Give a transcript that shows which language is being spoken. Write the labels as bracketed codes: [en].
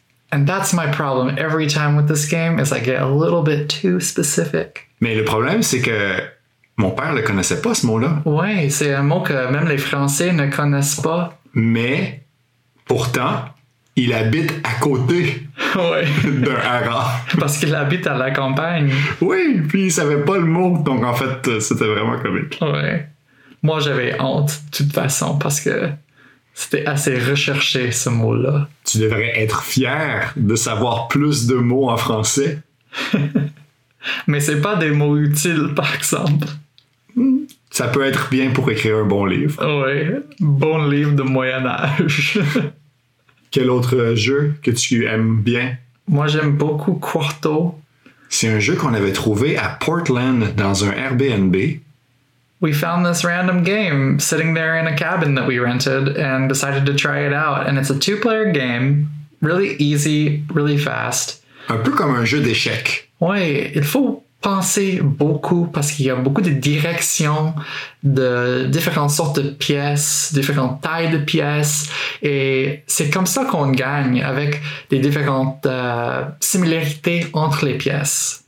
[en] And that's my problem every time with this game, is I get a little bit too specific. [fr] Mais le problème, c'est que mon père ne connaissait pas ce mot-là. Oui, c'est un mot que même les Français ne connaissent pas. Mais pourtant, il habite à côté d'un hara. Parce qu'il habite à la campagne. Oui, puis il ne savait pas le mot. Donc en fait, c'était vraiment comique. Oui. Moi, j'avais honte, de toute façon, parce que c'était assez recherché, ce mot-là. Tu devrais être fier de savoir plus de mots en français. Mais c'est pas des mots utiles, par exemple. Ça peut être bien pour écrire un bon livre. Oui, bon livre de Moyen-Âge. Quel autre jeu que tu aimes bien? Moi, j'aime beaucoup Quarto. C'est un jeu qu'on avait trouvé à Portland, dans un Airbnb. [en] We found this random game sitting there in a cabin that we rented and decided to try it out. And it's a two-player game, really easy, really fast. [fr] Un peu comme un jeu d'échecs. Oui, il faut penser beaucoup parce qu'il y a beaucoup de directions, de différentes sortes de pièces, différentes tailles de pièces. Et c'est comme ça qu'on gagne avec des différentes similarités entre les pièces.